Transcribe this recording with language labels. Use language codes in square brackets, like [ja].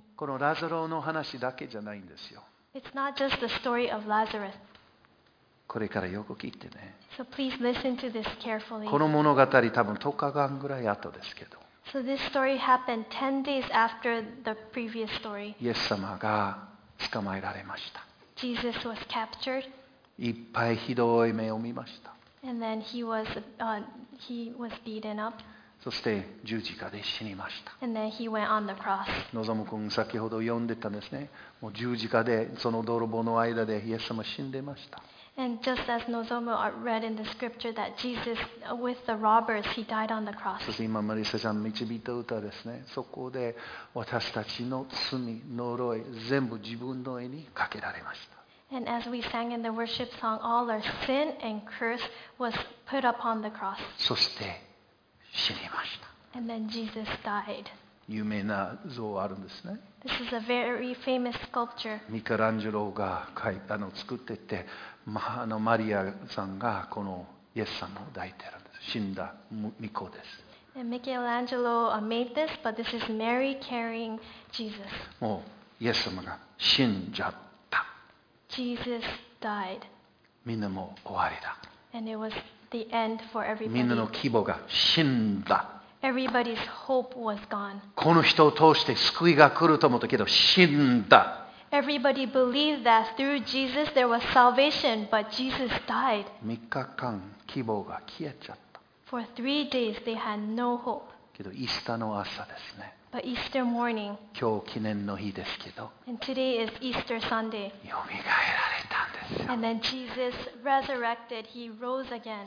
[ja] このラザロの話だけじゃないんですよ。 [en] It's not just the story of Lazarus. [ja] これからよく聞いてね。 [en] So、please listen to this carefully. [ja] この物語多分10日間ぐらい後ですけど。 [en] So、this story happened 10 days after the previous story. [ja] イエス様が捕まえられました。 [en] Jesus was captured. [ja] いっぱいひどい目を見ました。 [en] And then he was beaten up. [ja] そして十字架で死にました。 [en] And then he went on the cross. [ja] のぞむ君先ほど読んでたんですね。もう十字架でその泥棒の間でイエス様死んでました。 [en] And just as Nozomu read in the scripture that Jesus with the robbers, he died on the cross. [ja] そして今マリサちゃん導いた歌ですね。そこで私たちの罪、呪い、全部自分の絵にかけられました。 [en] And as we sang in the worship song, all our sin and curse was put upon the cross. [ja] そして死にました。 [en] And then Jesus died. [ja] 有名な像あるんですね。 [en] This is a very famous sculpture. [ja] ミカランジェロが描いた作ってて、まあ、マリアさんがこのイエス様を抱いているんです。死んだ巫女です。 [en] And Michelangelo made this, but this is Mary carrying Jesus. [ja] もうイエス様が死んじゃった。 [en] Jesus died. [ja] みんなもう終わりだ。 [en] And it was the end for everybody. [ja] みんなの希望が死んだ。 [en] Everybody's hope was gone. [ja] この人を通して救いが来ると思ったけど死んだ。 [en] Everybody believed that through Jesus there was salvation, but Jesus died. [ja] 3日間希望が消えちゃった。 [en] For three days they had no hope. [ja] けどイースターの朝ですね。 [en] But Easter morning. [ja] 今日記念の日ですけど。 [en] And today is Easter Sunday. [ja] よみがえられたんですよ。 [en] And then Jesus resurrected. He rose again.